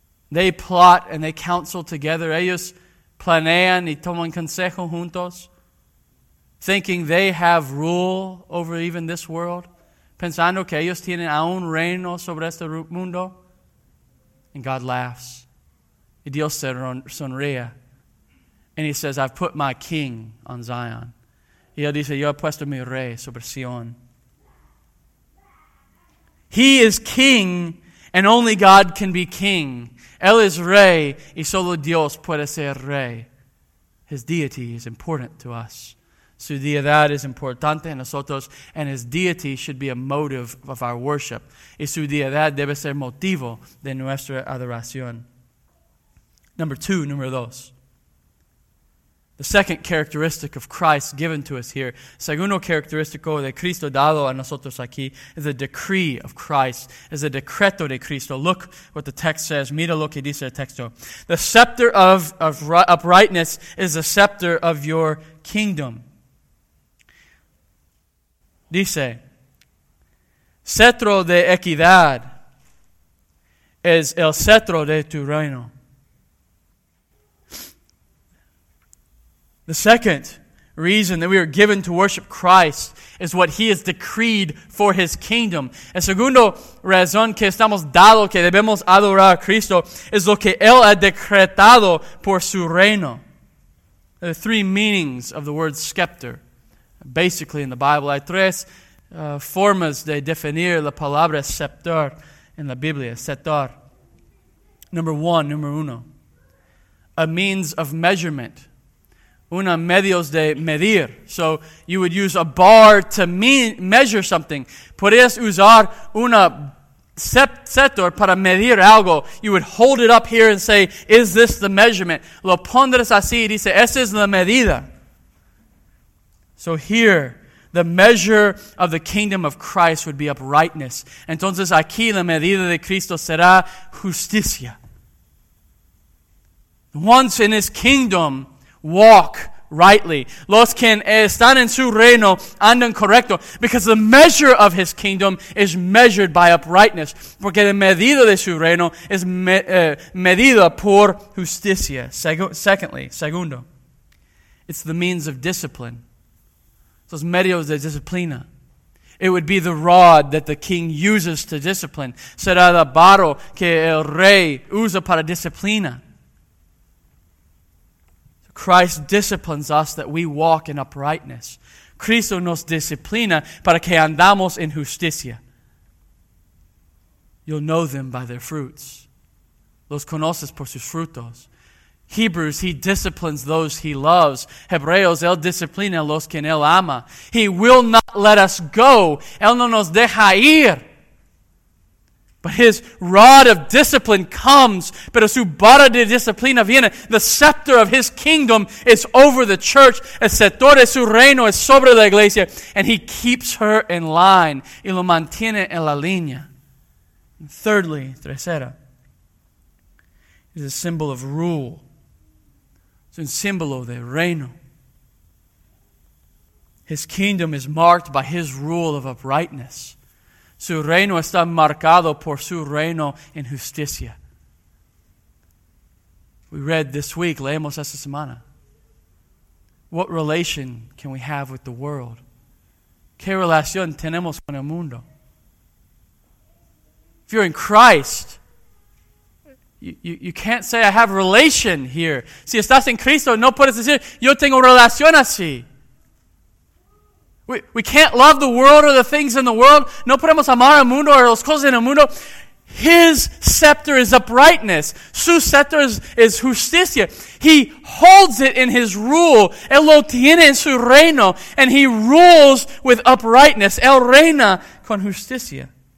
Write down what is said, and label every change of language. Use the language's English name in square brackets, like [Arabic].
[English] They plot and they counsel together. [Spanish] Ellos planean y toman consejo juntos, [English] thinking they have rule over even this world, [Spanish] pensando que ellos tienen aún reino sobre este mundo. [English] And God laughs. [Spanish] Y Dios sonríe. [English] And he says, I've put my king on Zion. [Spanish] Y él dice, yo he puesto mi rey sobre Sion. [English] He is king, and only God can be king. [Spanish] Él es rey, y solo Dios puede ser rey. [English] His deity is important to us. [Spanish] Su deidad es importante a nosotros, [English] and his deity should be a motive of our worship. [Spanish] Y su deidad debe ser motivo de nuestra adoración. [English] Number two. The second characteristic of Christ given to us here, [Spanish] segundo característico de Cristo dado a nosotros aquí, [English] is a decree of Christ, is a [Spanish] decreto de Cristo. [English] Look what the text says. [Spanish] Mira lo que dice el texto. [English] The scepter of uprightness is the scepter of your kingdom. [Spanish] Dice, cetro de equidad es el cetro de tu reino. [English] The second reason that we are given to worship Christ is what he has decreed for his kingdom. [Spanish] El segundo razón que estamos dado que debemos adorar a Cristo es lo que él ha decretado por su reino. [English] There are three meanings of the word scepter. Basically in the Bible, [Spanish] hay tres formas de definir la palabra scepter en la Biblia. Scepter. [English] Number uno. A means of measurement. [Spanish] Una medios de medir. [English] So you would use a bar to measure something. [Spanish] Podrías usar una cetro para medir algo. [English] You would hold it up here and say, is this the measurement? [Spanish] Lo pondrás así y dice, esa es la medida. [English] So here, the measure of the kingdom of Christ would be uprightness. [Spanish] Entonces aquí la medida de Cristo será justicia. [English] Once in his kingdom, walk rightly. [Spanish] Los que están en su reino andan correcto. [English] Because the measure of his kingdom is measured by uprightness. [Spanish] Porque la medida de su reino es medida por justicia. [English] Secondly, it's the means of discipline. [Spanish] los medios de disciplina. [English] It would be the rod that the king uses to discipline. [Spanish] Será el barro que el rey usa para disciplina. [English] Christ disciplines us that we walk in uprightness. [Spanish] Cristo nos disciplina para que andamos en justicia. [English] You'll know them by their fruits. [Spanish] Los conoces por sus frutos. [English] Hebrews, he disciplines those he loves. [Spanish] Hebreos, él disciplina los que él ama. [English] He will not let us go. [Spanish] Él no nos deja ir. [English] But his rod of discipline comes, [Spanish] pero su vara de disciplina viene. [English] The scepter of his kingdom is over the church. [Spanish] El scepter de su reino es sobre la iglesia. [English] And he keeps her in line. [Spanish] Y lo mantiene en la línea. [English] And thirdly, tercera, is a symbol of rule. [Spanish] Es un símbolo de reino. [English] His kingdom is marked by his rule of uprightness. [Spanish] Su reino está marcado por su reino en justicia. [English] We read this week, [Spanish] leemos esta semana. [English] What relation can we have with the world? [Spanish] ¿Qué relación tenemos con el mundo? [English] If you're in Christ, you can't say, I have relation here. [Spanish] Si estás en Cristo, no puedes decir, yo tengo relación así. [English] We can't love the world or the things in the world. [Spanish] No podemos amar el mundo o las cosas en el mundo. [English] His scepter is uprightness. [Spanish] Su scepter is justicia. [English] He holds it in his rule. [Spanish] Él lo tiene en su reino. [English] And he rules with uprightness. [Spanish] Él reina con justicia.